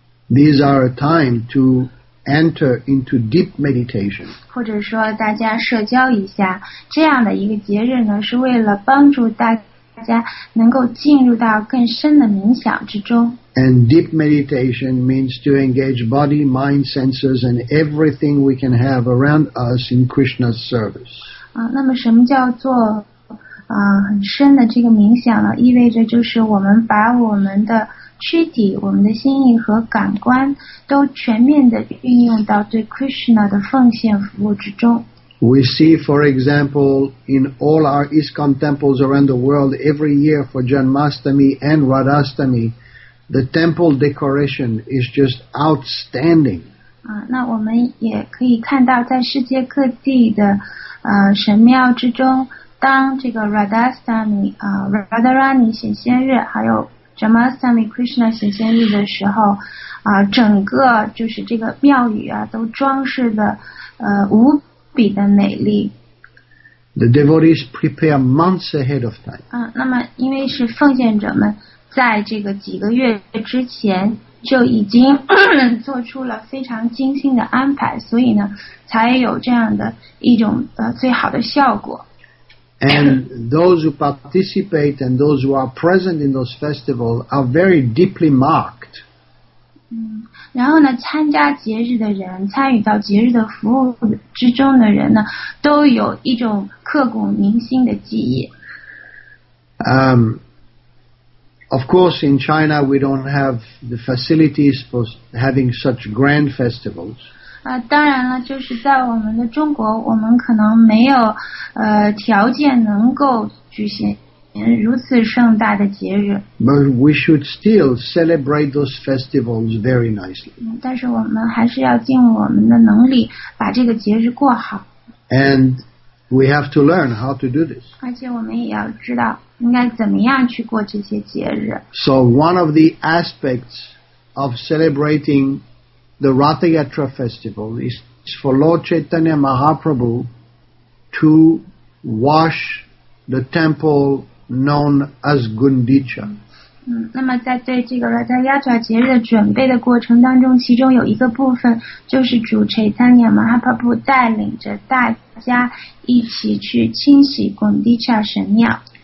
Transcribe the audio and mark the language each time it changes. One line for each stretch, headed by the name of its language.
English: These are a time to enter into deep meditation.
Chinese: 或者说大家社交一下，这样的一个节日呢，是为了帮助大家能够进入到更深的冥想之中。
English: And deep meditation means to engage body, mind, senses, and everything we can have around us in Krishna's service.
Chinese: 那么什么叫做很深的这个冥想呢？意味着就是我们把我们的躯体、我们的心意和感官都全面的运用到对 Krishna 的奉献服务之中。
English: We see, for example, in all our ISKCON temples around the world, every year for Janmashtami and Radhashtami, the temple decoration is just outstanding.
Chinese: 那我们也可以看到在世界各地的神庙之中，当这个 Radhashtami, Radharani 显现日，还有 Janmashtami Krishna 显现日的时候，整个就是这个庙宇都装饰的无比的美丽。
English: The devotees prepare months ahead of time.
Chinese: 那么因为是奉献者们在这个几个月之前就已经做出了非常精心的安排，所以呢，才有这样的一种最好的效果。
English: And those who participate and those who are present in those festivals are very deeply marked.
Chinese: 然后呢，参加节日的人，参与到节日的服务之中的人呢，都有一种刻骨铭心的记忆。
English: Of course, in China, we don't have the facilities for having such grand festivals.
Chinese: 当然了，就是在我们的中国，我们可能没有条件能够举行如此盛大的节日。
English: But we should still celebrate those festivals very nicely.
Chinese: 但是我们还是要尽我们的能力把这个节日过好。
English: And we have to learn how to do this.
Chinese: 而且我们也要知道应该怎么样去过这些节日。
English: So one of the aspects of celebrating the Ratha Yatra festival is for Lord Chaitanya Mahaprabhu to wash the temple known as Gundicha.
Chinese: 那么在对这个 Ratha Yatra 节日的准备的过程当中，其中有一个部分就是主 Chaitanya Mahaprabhu 带领着大家一起去清洗 Gundicha 神庙。